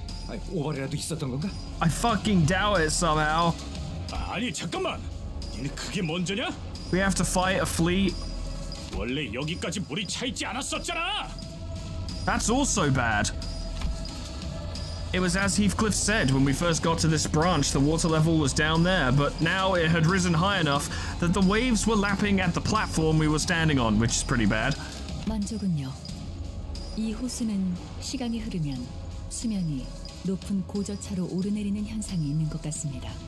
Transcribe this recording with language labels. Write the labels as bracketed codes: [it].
[ko] 아니, 오바리라도 있었던 건가? [en] I fucking doubt it somehow. [ko] 아니, 잠깐만. 얘네 그게 먼저냐? [en] We have to fight a fleet. [ko] 원래 여기까지 물이 차 있지 않았었잖아. [en] That's also bad. It was as Heathcliff said, when we first got to this branch, the water level was down there, but now it had risen high enough that the waves were lapping at the platform we were standing on, which is pretty bad. [ko] 만족은요. 이 호수는 시간이 흐르면 수면이 높은 고저차로 오르내리는 현상이 있는 것 같습니다.